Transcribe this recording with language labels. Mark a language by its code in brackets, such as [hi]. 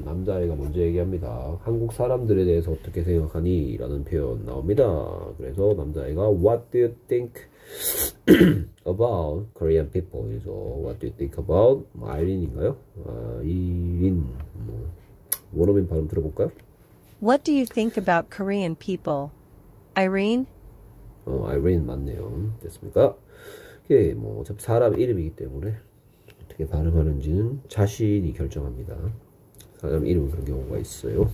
[ko] 남자아이가 먼저 얘기합니다. 한국 사람들에 대해서 어떻게 생각하니? 라는 표현 나옵니다. 그래서 남자아이가 [en] What do you think about Korean people? 그래서 What do you think about [ko] 아이린인가요? 아, 이린. 원어민 발음 들어볼까요? [en] What do you think about Korean people, Irene? [ko] 아이린 맞네요. 됐습니까? 이게 뭐 어차피 사람 이름이기 때문에 어떻게 발음하는지는 자신이 결정합니다. 사람 이름은 그런 경우가 있어요.